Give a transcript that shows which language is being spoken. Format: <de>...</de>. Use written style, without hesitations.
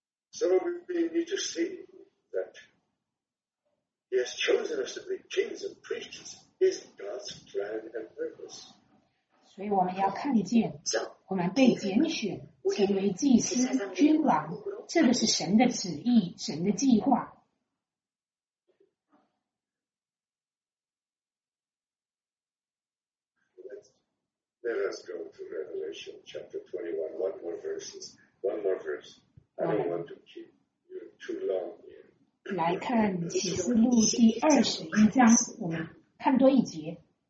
<en>So we need to see that he has chosen us to be kings and priests is God's plan and purpose.</en> <zh>所以我们要看见，我们被拣选成为祭司、君王，这个是神的旨意、神的计划。</zh> <en>Let us go to Revelation chapter 21. One more verse. One more verse. I don't want to keep you too long here.</en> <zh>来看启示录第二十一章，我们看多一节。</zh>